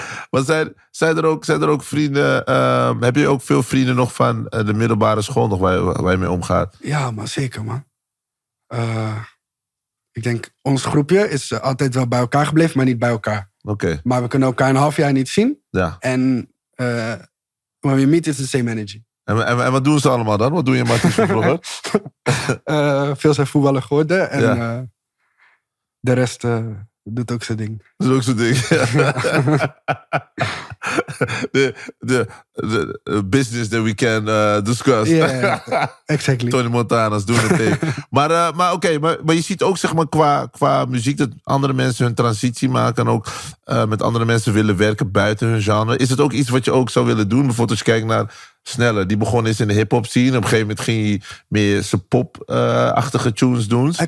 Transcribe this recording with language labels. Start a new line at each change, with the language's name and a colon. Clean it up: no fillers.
Dutch: Maar zijn er ook vrienden? Heb je ook veel vrienden nog van de middelbare school nog waar je mee omgaat? Ja, maar zeker, man. Ik denk, ons groepje is altijd wel bij elkaar gebleven, maar niet bij elkaar. Okay. Maar we kunnen elkaar een half jaar niet zien. Ja.
English: En when we meet, is the same energy.
Dutch: En wat doen ze allemaal dan? Wat doe je in Martins van Vlogger? Veel zijn voetballer geworden en ja. De rest. Doet ook zijn ding. Dat is ook zijn ding. Ja.
English: The business that we can discuss. Yeah, exactly. Tony Montana's doing the thing.
Dutch: Maar je ziet ook zeg maar qua muziek dat andere mensen hun transitie maken. En ook met andere mensen willen werken buiten hun genre. Is het ook iets wat je ook zou willen doen? Bijvoorbeeld als je kijkt naar Sneller, die begon eens in de hip-hop scene. Op een gegeven moment ging hij meer zijn pop-achtige tunes doen.